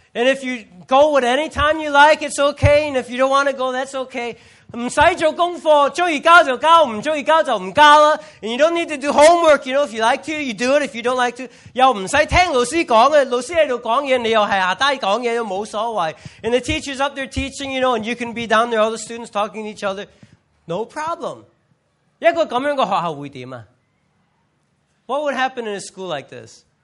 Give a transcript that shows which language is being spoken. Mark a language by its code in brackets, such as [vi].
[en] And if you go at any time you like, it's okay. And if you don't want to go, that's okay. [yue] 唔使做功课，中意交就交，唔中意交就唔交啦。 [en] And you don't need to do homework, you know, if you like to, you do it, if you don't like to. [yue] 又唔使听老师讲嘅，老师喺度讲嘢，你又系下低讲嘢都冇所谓。 [en] And the teacher's up there teaching, you know, and you can be down there, all the students talking to each other. No problem. [yue] 一个咁样嘅学校会点啊 [en] ？What would happen in a school like this?